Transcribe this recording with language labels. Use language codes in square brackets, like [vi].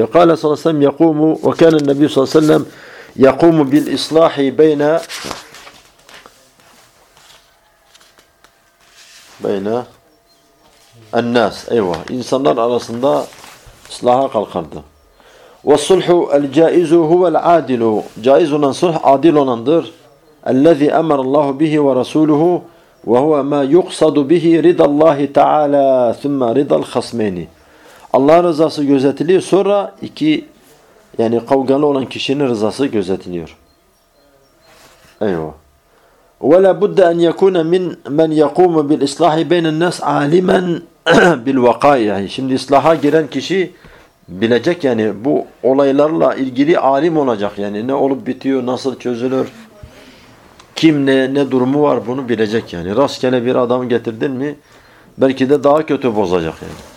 [ar] قال صلى الله عليه وسلم يقوم وكان النبي صلى الله عليه وسلم يقوم بالإصلاح بين الناس. [tr] Eyvah. İnsanlar arasında ıslaha kalkardı. [ar] والصلح الجائز هو العادل. [tr] Caiz olan sulh adil olandır. [ar] الذي أمر الله به ورسوله وهو ما يقصد به رضا الله تعالى ثم رضا الخصمين. [tr] Allah'ın rızası gözetiliyor. Sonra iki, yani kavgalı olan kişinin rızası gözetiliyor. Eyvah. [ar] وَلَا بُدَّ أَنْ يَكُونَ مِنْ مَنْ يَقُومُ بِالْإِصْلَاحِ بَيْنَ النَّاسِ عَالِمًا بِالْوَقَائِهِ. [tr] Şimdi ıslaha giren kişi bilecek yani bu olaylarla ilgili alim olacak. Yani ne olup bitiyor, nasıl çözülür, kim ne durumu var bunu bilecek yani. Rastgele bir adam getirdin mi belki de daha kötü bozacak yani.